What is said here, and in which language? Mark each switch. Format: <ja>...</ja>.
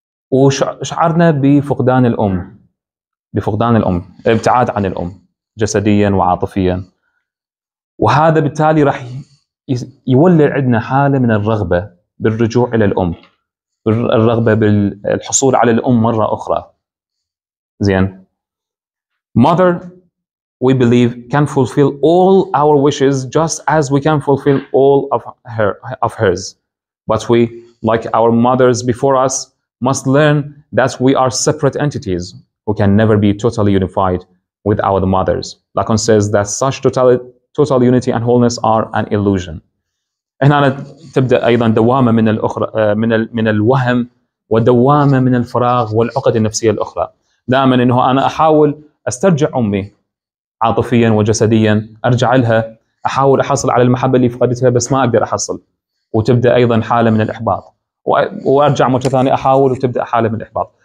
<ar>وشعرنا بفقدان الأم، بفقدان الأم، ابتعاد عن الأم جسديا وعاطفيا، وهذا بالتالي راح يولع عندنا حالة من الرغبة بالرجوع إلى الأم، الرغبة بالحصول على الأم مرة أخرى.</ar> <en>زين، mother we believe can fulfill all our wishes just as we can fulfill all of her of hers, but we like our mothers before us must learn that we are separate entities who can never be totally unified with our mothers. Lacan says that such total unity and wholeness are an illusion.</en> <ar>هنا تبدأ أيضا دوامة من الأخرى، من الوهم، ودوامة من الفراغ والعقد النفسية الأخرى. دائما إنه أنا أحاول أسترجع أمي عاطفيا وجسديا، أرجع لها، أحاول أحصل على المحبة اللي فقدتها بس ما أقدر أحصل، وتبدأ أيضا حالة من الإحباط، وأرجع مرة ثانية أحاول وتبدأ حالة من الإحباط.</ar>